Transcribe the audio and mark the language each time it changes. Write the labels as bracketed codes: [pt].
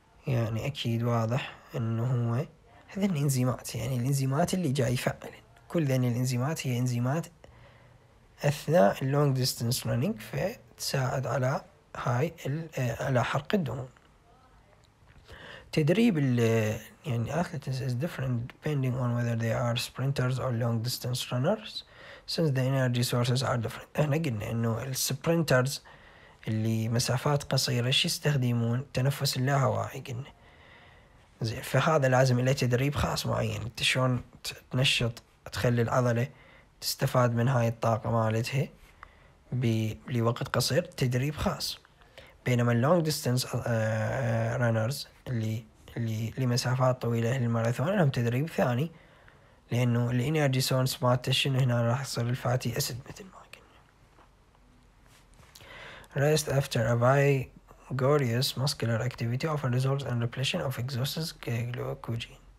[ar] يعني أكيد واضح إنه هو هذين الإنزيمات، يعني الإنزيمات اللي جاي يفعل كل ذين الإنزيمات، هي إنزيمات أثناء اللونج ديستنس رانينج، فتساعد على هاي على حرق الدهون. تدريب ال يعني [en] athletes is different depending on whether they are sprinters or long distance runners since the energy sources are different. [ar] احنا قلنا انه السبرنترز اللي مسافات قصيرة شي يستخدمون تنفس اللاهواعي، قلنا زين، فهذا لازم له تدريب خاص معين، انت شلون تنشط تخلي العضلة تستفاد من هاي الطاقة مالتها لوقت قصير، تدريب خاص. بينما اللونج ديستنس رانرز اللي لمسافات طويلة الماراثون لهم تدريب ثاني، لأنه الإنرجي سورس مالته شنو هنا راح يصير الفاتي أسيد مثل ما قلنا. [en] Rest after a vigorous muscular activity often results in repletion of exhausted glycogen.